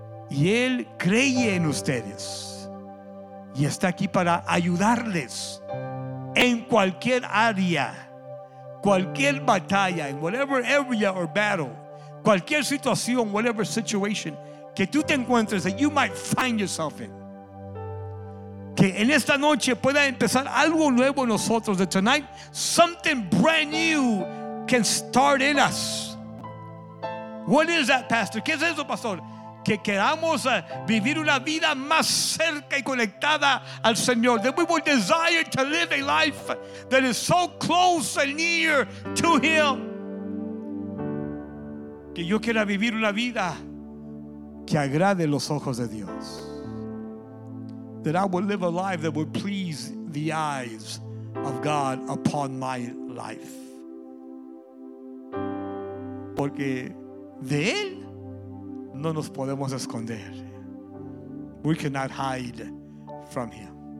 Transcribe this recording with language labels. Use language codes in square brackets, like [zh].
[es] y Él cree en ustedes y está aquí para ayudarles en cualquier área, cualquier batalla, [en] in whatever area or battle, [es] cualquier situación, [en] whatever situation [es] que tú te encuentres, [en] that you might find yourself in. [es] Que en esta noche pueda empezar algo nuevo en nosotros. [en] That tonight something brand new can start in us. What is that, Pastor? [es] ¿Qué es eso, Pastor? Que queramos vivir una vida más cerca y conectada al Señor. [en] That we will desire to live a life that is so close and near to Him. [es] Que yo quiera vivir una vida que agrade los ojos de Dios. [en] That I would live a life that would please the eyes of God upon my life. [es] Porque de Él no nos podemos esconder. [en] We cannot hide from Him.